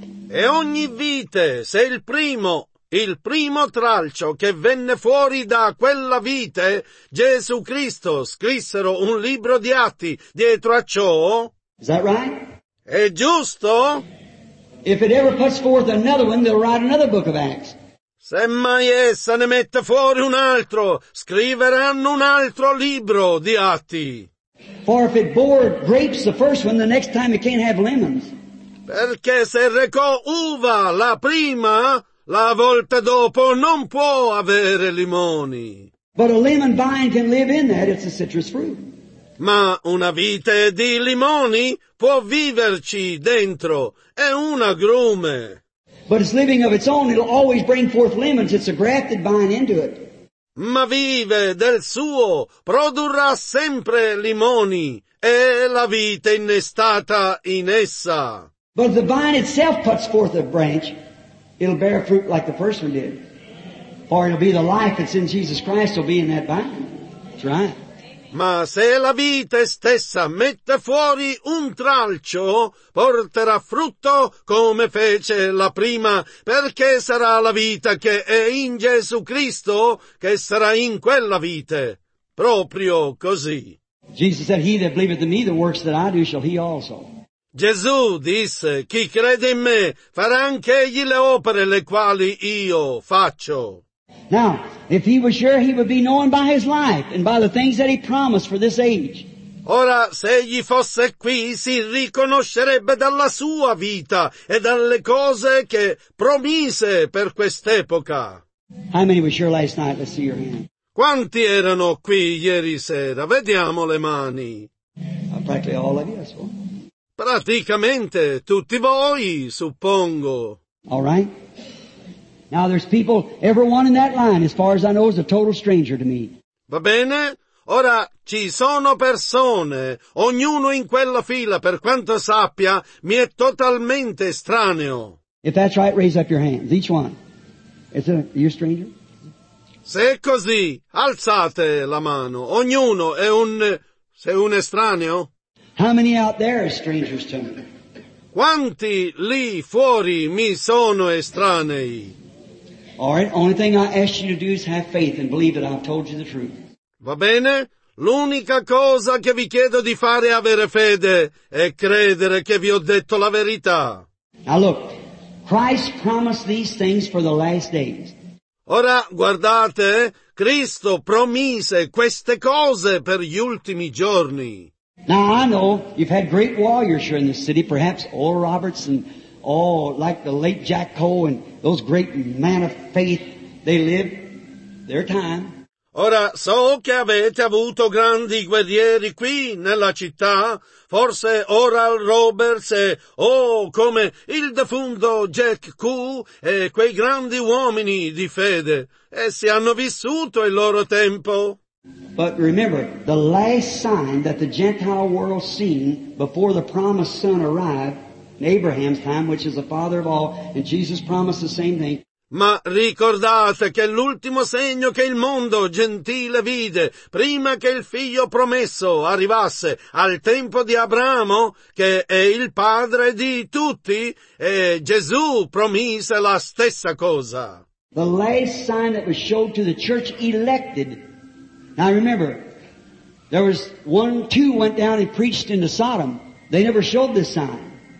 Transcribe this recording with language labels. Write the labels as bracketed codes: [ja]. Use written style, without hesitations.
[it] E ogni vite, se il primo tralcio che venne fuori da quella vite, Gesù Cristo, scrissero un libro di atti dietro a ciò. [en] Is that right? [it] È giusto? [en] If it ever puts forth another one, they'll write another book of Acts. [it] Se mai essa ne mette fuori un altro, scriveranno un altro libro di Atti. [en] For if it bore grapes the first one, the next time it can't have lemons. [it] Perché se recò uva la prima, la volta dopo non può avere limoni. [en] But a lemon vine can live in that, it's a citrus fruit. [it] Ma una vite di limoni può viverci dentro, è un agrume. [en] But it's living of its own, it'll always bring forth lemons, it's a grafted vine into it. [it] Ma vive del suo, produrrà sempre limoni, è la vite innestata in essa. [en] But if the vine itself puts forth a branch, it'll bear fruit like the first one did. For it'll be the life that's in Jesus Christ will be in that vine. That's right. [it] Ma se la vite stessa mette fuori un tralcio, porterà frutto come fece la prima, perché sarà la vita che è in Gesù Cristo che sarà in quella vite. Proprio così. [en] Jesus said, he that believeth in me, the works that I do shall he also. [it] Gesù disse, chi crede in me farà anche egli le opere le quali io faccio. [en] Now, if he was sure, he would be known by his life and by the things that he promised for this age. [it] Ora, se egli fosse qui, si riconoscerebbe dalla sua vita e dalle cose che promise per quest'epoca. [en] How many were sure last night? Let's see your hand. [it] Quanti erano qui ieri sera? Vediamo le mani. [en] Practically all of you, I suppose. [it] Praticamente tutti voi, suppongo. [en] All right. Now there's people, everyone in that line, as far as I know, is a total stranger to me. [it] Va bene? Ora, ci sono persone, ognuno in quella fila, per quanto sappia, mi è totalmente estraneo. [en] If that's right, raise up your hands, each one. Are you a stranger? [it] Se è così, alzate la mano. Ognuno è un estraneo? [en] How many out there are strangers to me? [it] Quanti lì fuori mi sono estranei? [en] All right. Only thing I ask you to do is have faith and believe that I've told you the truth. [it] Va bene. L'unica cosa che vi chiedo di fare è avere fede e credere che vi ho detto la verità. [en] Now look, Christ promised these things for the last days. [it] Ora guardate, Cristo promise queste cose per gli ultimi giorni. [en] Now I know you've had great warriors here in the city, perhaps Oral Roberts and. Oh, like the late Jack Cole and those great men of faith, they lived their time. [it] Ora, so che avete avuto grandi guerrieri qui nella città, forse Oral Roberts e, oh, come il defunto Jack Cole e quei grandi uomini di fede, essi hanno vissuto il loro tempo. [en] But remember, the last sign that the Gentile world seen before the promised son arrived, in Abraham's time, which is the father of all, and Jesus promised the same thing. [it] Ma ricordate che l'ultimo segno che il mondo gentile vide prima che il figlio promesso arrivasse al tempo di Abramo, che è il padre di tutti, e Gesù promise la stessa cosa. [en] The last sign that was showed to the church elected. Now remember, there was one, two went down and preached into Sodom. They never showed this sign.